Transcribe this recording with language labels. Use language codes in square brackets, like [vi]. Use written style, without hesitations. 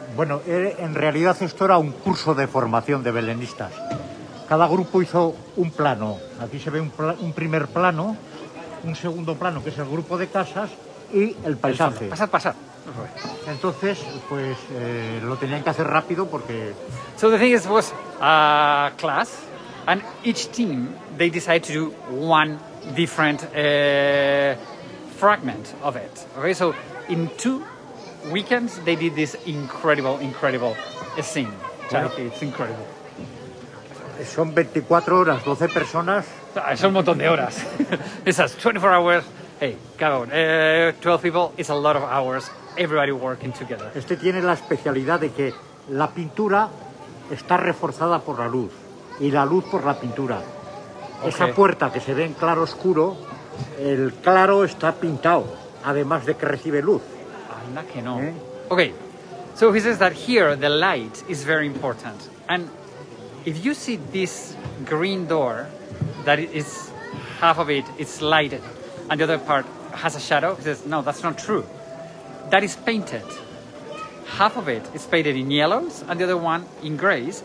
[es] Bueno, en realidad esto era un curso de formación de belenistas. Cada grupo hizo un plano. Aquí se ve un primer plano, un segundo plano, que es el grupo de casas, y el paisaje. Pasad, pasad. Entonces, pues lo tenían que hacer rápido porque... [en] So the thing is, it was a class, and each team, they decided to do one different fragment of it. Okay, so in two weekends, they did this incredible, incredible scene. Charity, it's incredible. [es] Son 24 horas, 12 personas. Es un montón de horas. Esas 24 hours. [en] Hey, come on. 12 people is a lot of hours. Everybody working together. [es] Este tiene la especialidad de que la pintura está reforzada por la luz y la luz por la pintura. Okay. Esa puerta que se ve en claro oscuro, el claro está pintado, además de que recibe luz. Anda que no. ¿Eh? Okay. [en] So he says that here the light is very important. And if you see this green door, that is half of it is lighted, and the other part has a shadow. He says, no, that's not true. That is painted. Half of it is painted in yellows, and the other one in grays.